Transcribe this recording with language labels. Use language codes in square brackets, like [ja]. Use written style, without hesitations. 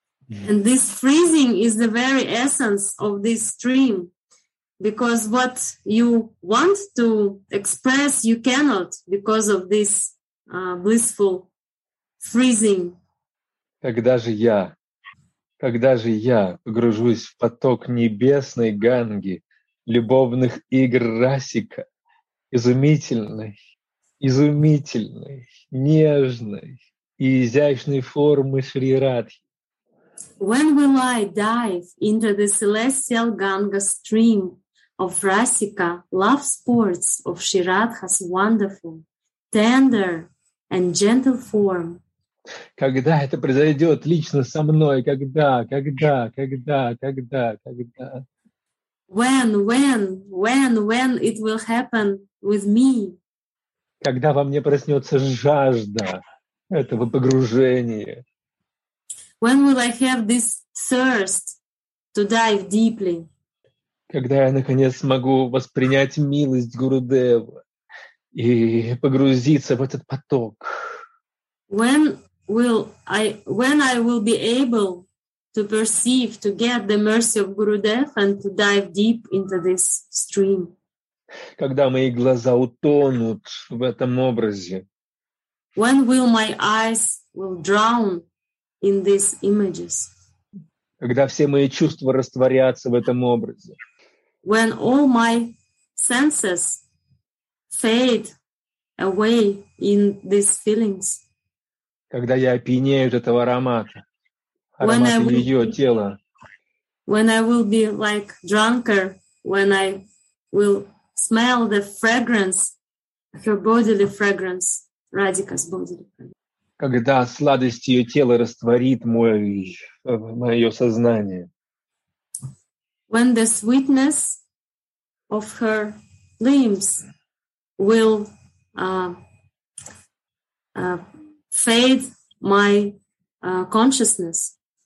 [en] And this freezing is the very essence of this dream, because what you want to express, you cannot because of this blissful freezing. [ru] Когда же я погружусь в поток небесной Ганги, любовных игр Расика, изумительной, нежной и изящной формы Шри Радхи? [en] When will I dive into the celestial Ganga stream of Rasika, love sports of Shri Radha's wonderful, tender and gentle form? [ru] Когда это произойдет лично со мной? Когда? [en] When it will happen with me? [ru] Когда во мне проснется жажда этого погружения? [en] When will I have this thirst to dive deeply? [ru] Когда я наконец смогу воспринять милость Гурудева и погрузиться в этот поток? [en] When I will be able to perceive, to get the mercy of Gurudev and to dive deep into this stream? [ru] Когда мои глаза утонут в этом образе? [en] When will my eyes will drown in these images? [ru] Когда все мои чувства растворятся в этом образе? [en] When all my senses fade away in these feelings? [ru] Когда я опьянею от этого аромата, аромата ее тела? [en] When I will be like drunker, when I will smell the fragrance, her bodily fragrance, Radhika's bodily fragrance? [ru] Когда сладость ее тела растворит мое сознание? [en] When the sweetness of her limbs will fade my consciousness?